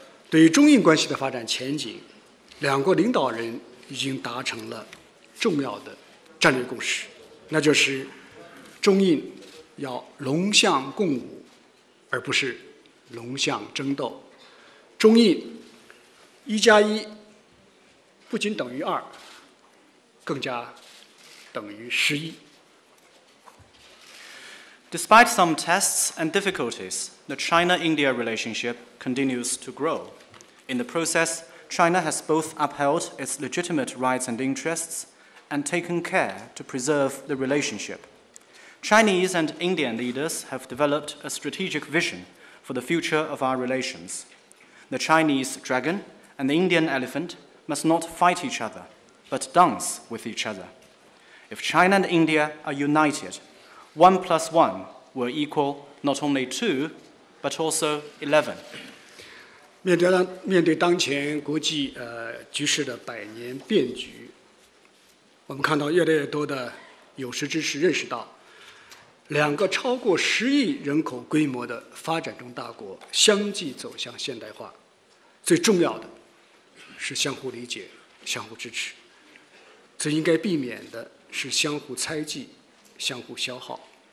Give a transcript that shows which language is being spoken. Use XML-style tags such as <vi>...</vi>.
<zh>对于中印关系的发展前景，两国领导人已经达成了重要的战略共识，那就是中印要龙象共舞，而不是龙象争斗。中印一加一不仅等于二，更加等于十一。</zh> <en>Despite some tests and difficulties, the China-India relationship continues to grow. In the process, China has both upheld its legitimate rights and interests and taken care to preserve the relationship. Chinese and Indian leaders have developed a strategic vision for the future of our relations. The Chinese dragon and the Indian elephant must not fight each other, but dance with each other. If China and India are united, 1+1 will equal not only 2, but also 11.</en> <zh>面对当前国际局势的百年变局，我们看到越来越多的有识之士认识到，两个超过十亿人口规模的发展中大国相继走向现代化，最重要的是相互理解、相互支持，最应该避免的是相互猜忌、相互消耗。</zh>